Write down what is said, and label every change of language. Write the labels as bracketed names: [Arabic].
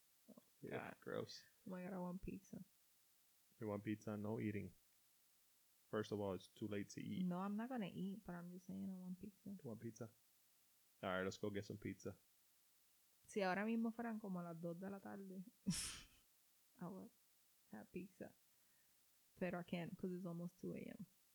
[English] Oh, God. Gross. Oh, my God, I want pizza. You want pizza? No eating. First of all, it's too late to eat. No, I'm not going to eat, but I'm just saying I want pizza. You want pizza? All right, let's go get some pizza. [Spanish] Si ahora mismo fueran como las 2 de la tarde, [English] I would have pizza. But I can't because it's almost 2 a.m.